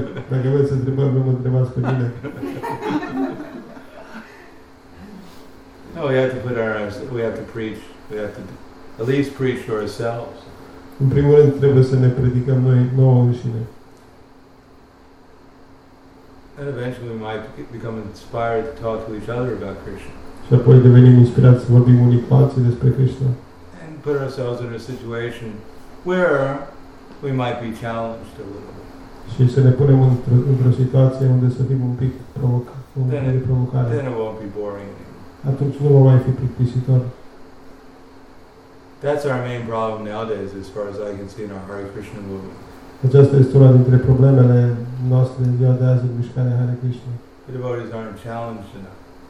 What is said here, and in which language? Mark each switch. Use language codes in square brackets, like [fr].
[en] Any questions, don't ask me. No, we have to preach. We have to at least preach to ourselves. [ro] În primul rând trebuie să ne predicăm noi nouă înșine. [en] And eventually we might become inspired to talk to each other about Krishna. [ro] Și apoi devenim inspirați să vorbim unii cu alții despre Krishna. [en] And put ourselves in a situation where we might be challenged a little bit. [ro] Și să ne punem într-o situație unde să fim un pic provocare. [en] Then it won't be boring. [ro] Atunci nu va mai fi plictisitor. [en] That's our main problem nowadays, as far as I can see in our Hare Krishna movement. [ro] Aceasta este una dintre problemele noastre în ziua de azi în mișcarea Hare Krishna. [en] The devotees aren't challenged enough.